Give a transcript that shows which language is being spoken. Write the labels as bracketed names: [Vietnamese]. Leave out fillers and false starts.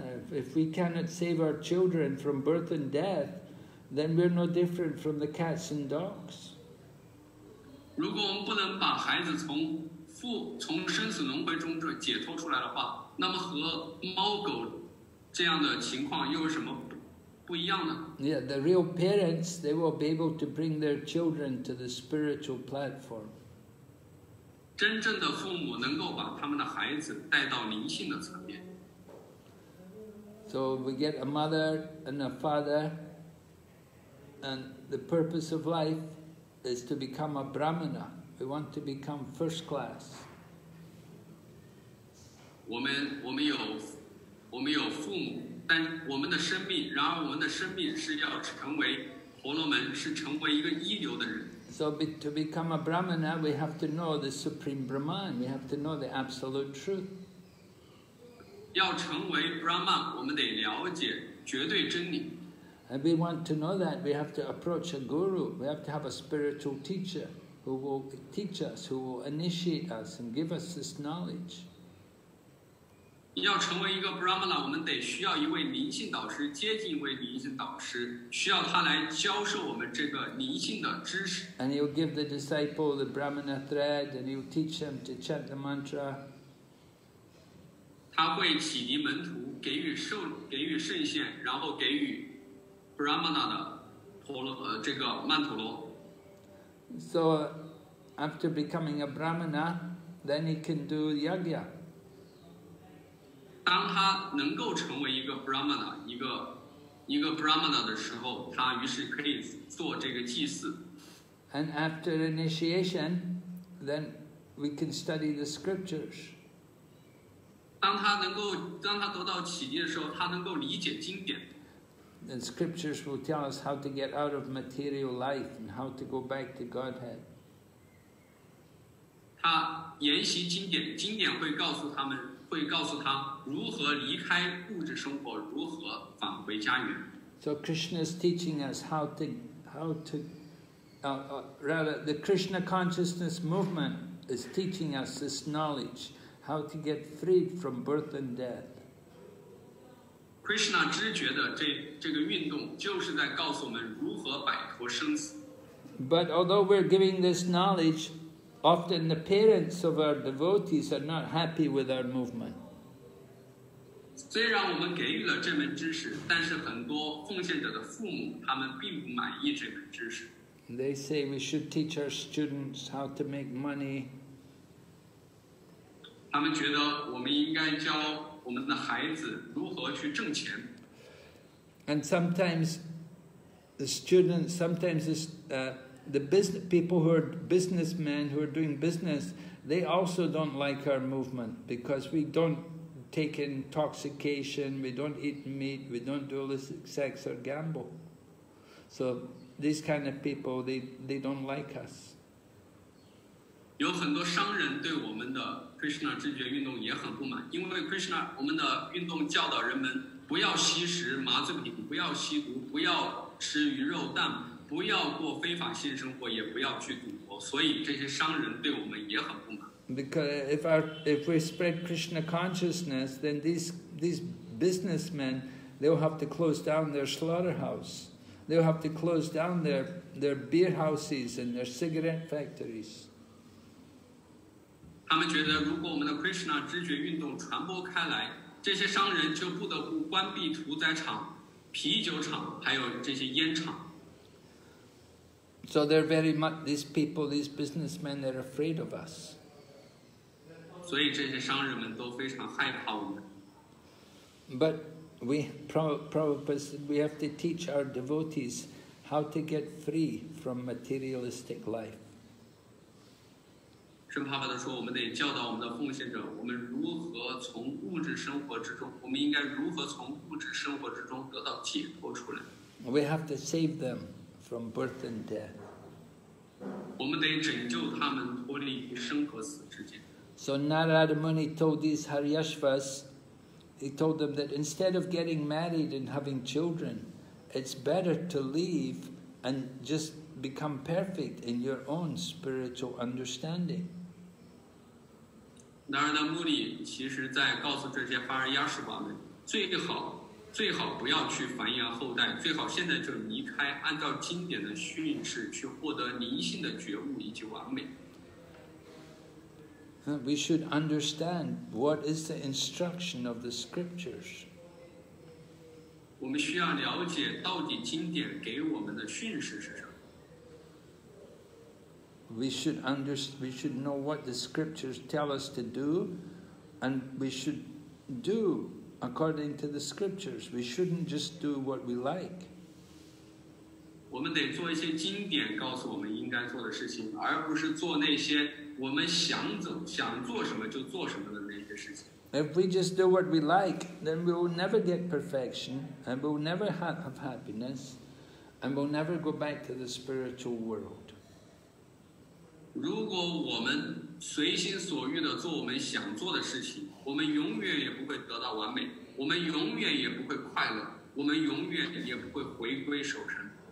[English] If we cannot save our children from birth and death, then we're no different from the cats and dogs. [Chinese] 如果我们不能把孩子从生死轮回中解脱出来的话，那么和猫狗这样的情况又有什么不一样呢？ [English] Yeah, the real parents, they will be able to bring their children to the spiritual platform. [Chinese] 真正的父母能够把他们的孩子带到灵性的层面。 [English] So we get a mother and a father, and the purpose of life is to become a brahmana. We want to become first class. [Chinese] 我们有父母，但我们的生命，然而我们的生命是要成为婆罗门，是成为一个一流的人。 [English] So to become a brahmana, we have to know the supreme Brahman. We have to know the absolute truth. [Chinese] 要成为 brahman, 我们得了解绝对真理。 [English] And we want to know that, we have to approach a guru, we have to have a spiritual teacher who will teach us, who will initiate us and give us this knowledge. [Chinese] 要成为一个 Brahmana, 我们得需要一位灵性导师，接近一位灵性导师，需要他来教授我们这个灵性的知识。 [English] And he'll give the disciple the Brahmana thread and he'll teach him to chant the mantra. [Chinese] 他会启迪门徒，给予圣贤，然后给予Brahmana 的这个曼陀罗。 [English] So, after becoming a Brahmana, then he can do yagya. [Chinese] 当他能够成为一个 Brahmana, 一个 Brahmana 的时候，他于是可以做这个祭祀。 [English] And after initiation, then we can study the scriptures. [Chinese] 当他得到启迪的时候，他能够理解经典。 [English] And scriptures will tell us how to get out of material life and how to go back to Godhead. [Chinese] 他研习经典，经典会告诉他们，会告诉他如何离开物质生活，如何返回家园。 [English] So Krishna is teaching us the Krishna consciousness movement is teaching us this knowledge, how to get freed from birth and death. [Chinese] Krishna 知觉的这个运动就是在告诉我们如何摆脱生死。 [English] But although we're giving this knowledge, often the parents of our devotees are not happy with our movement. [Chinese] 虽然我们给予了这门知识，但是很多奉献者的父母他们并不满意这门知识。 [English] They say we should teach our students how to make money. [Chinese] 他们觉得我们应该教我们的孩子如何去挣钱。 [English] And sometimes the business people who are businessmen who are doing business, they also don't like our movement because we don't take intoxication, we don't eat meat, we don't do illicit sex or gamble. So these kind of people, they don't like us. [Chinese] 有很多商人对我们的Krishna 知觉运动也很不满，因为 Krishna 我们的运动教导人们不要吸食麻醉品，不要吸毒，不要吃鱼肉蛋，不要过非法性生活，也不要去赌博，所以这些商人对我们也很不满。 [English] Because if we spread Krishna consciousness, then these businessmen they'll have to close down their slaughterhouse, they'll have to close down their beer houses and their cigarette factories. [Chinese] 他们觉得如果我们的 Krishna 知觉运动传播开来，这些商人就不得不关闭屠宰场、啤酒厂，还有这些烟厂。 [English] So they're very much these people, these businessmen, they're afraid of us. [Chinese] 所以这些商人们都非常害怕我们。 [English] But we, Prabhupada, we have to teach our devotees how to get free from materialistic life. [Chinese] 圣帕帕的说，我们得教导我们的奉献者，我们如何从物质生活之中，我们应该如何从物质生活之中得到解脱出来。 [English] We have to save them from birth and death. [Chinese] 我们得拯救他们脱离生和死之间。 [English] So Narada Muni told these Haryashvas, he told them that instead of getting married and having children, it's better to leave and just become perfect in your own spiritual understanding. [Chinese] Narada Muni 其实在告诉这些 Haryashvas 们，最好不要去繁衍后代，最好现在就离开，按照经典的训示去获得灵性的觉悟以及完美。 [English] We should understand what is the instruction of the scriptures. [Chinese] 我们需要了解到底经典给我们的训示是什么。 [English] We should know what the scriptures tell us to do, and we should do. According to the scriptures, we shouldn't just do what we like. [Chinese] 我们得做一些经典告诉我们应该做的事情，而不是做那些我们想走想做什么就做什么的那些事情。 [English] If we just do what we like, then we will never get perfection, and we will never have happiness, and we will never go back to the spiritual world. [Chinese] 如果我们随心所欲地做我们想做的事情，我们永远也不会得到完美，我们永远也不会快乐，我们永远也不会回归守身。